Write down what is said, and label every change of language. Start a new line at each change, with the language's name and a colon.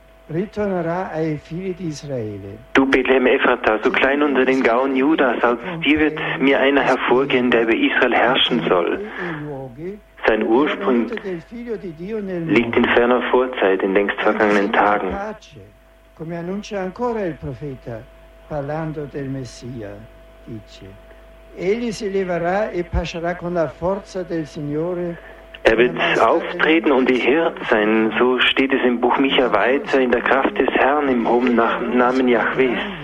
Italian: Ritornerà ai figli di Israele.
German: Du Bethlehem Ephrata, so klein unter den Gauen Judas, aus dir wird mir einer hervorgehen, der über Israel herrschen soll. Sein Ursprung liegt in ferner Vorzeit, in längst vergangenen Tagen.
Italian: Come annuncia ancora il profeta, parlando del Messia, dice: Egli si leverà e pascerà con la forza del Signore.
German: Er wird auftreten und die Hirt sein, so steht es im Buch Micha weiter, in der Kraft des Herrn, im hohen Namen Jahwes.